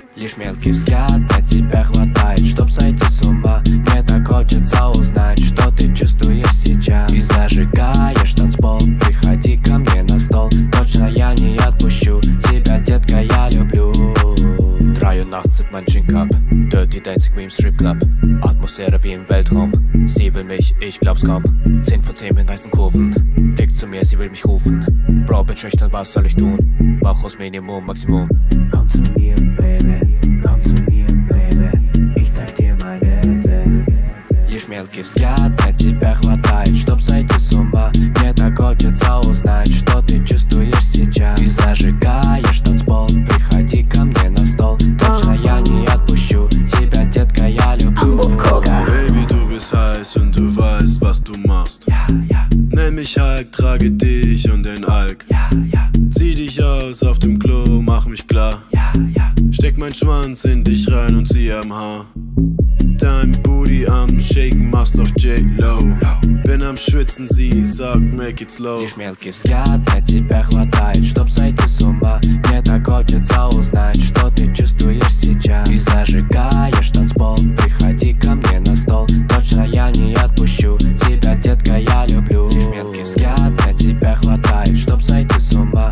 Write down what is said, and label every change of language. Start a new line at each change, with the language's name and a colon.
Russian: цепкий взгляд на тебя хватает, чтоб сойти с ума. Мне так хочется узнать, что ты чувствуешь сейчас. И зажигаешь танцпол, приходи ко мне на стол. Точно я не отпущу тебя, детка, я люблю.
German: Drei Uhr nachts sind mein Gin-Cup. Dirty Dancing wie im Strip-Club. Atmosphäre wie im Weltraum. Sie will mich, ich glaub's kaum. 10 von 10 mit heißen Kurven. Dick zu mir, sie will mich rufen. Bro, bin schüchtern, was soll ich tun? Mach aus Minimum, Maximum. Komm zu mir, Baby. Komm zu mir, Baby. Ich zeig dir meine Welt.
Russian: Лишь мелкий взгляд на тебя хватает, чтоб сойти с ума. Мне так хочется узнать, что ты чувствуешь сейчас. Ты зажигаешь танцпол, приходи ко мне на стол. Точно я не отпущу тебя, детка, я люблю.
German: Baby, du bist heiß und du weißt, was du machst. Nenn mich Hulk, trage dich und den Alk. Zieh dich aus auf dem Klo, mach mich klar. Steck mein Schwanz in dich rein und zieh am Haar. Dein Booty am Shaken, machst auf J-Lo. Bin am Schwitzen, sie sagt,
English: make it slow.
Russian: Лишь мелкий взгляд на тебя хватает, чтоб сойти с ума. Мне так хочется узнать, что ты чувствуешь сейчас. Ты зажигаешь танцпол, приходи ко мне на стол. Точно я не отпущу тебя, детка, я люблю. Лишь мелкий взгляд на тебя хватает, чтоб сойти с ума.